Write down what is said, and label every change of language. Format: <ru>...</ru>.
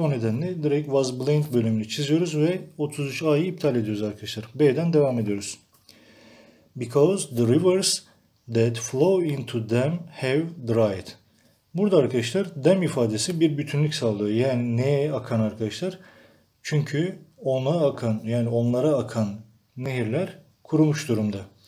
<tr>O nedenle direkt was blank bölümünü çiziyoruz ve 33 A'yı iptal ediyoruz arkadaşlar. B'den devam ediyoruz.</tr> <en>Because the rivers that flow into them have dried.</en> <tr>Burada arkadaşlar them ifadesi bir bütünlük sağlıyor. Yani neye akan arkadaşlar? Çünkü ona akan, yani onlara akan nehirler kurumuş durumda.</tr>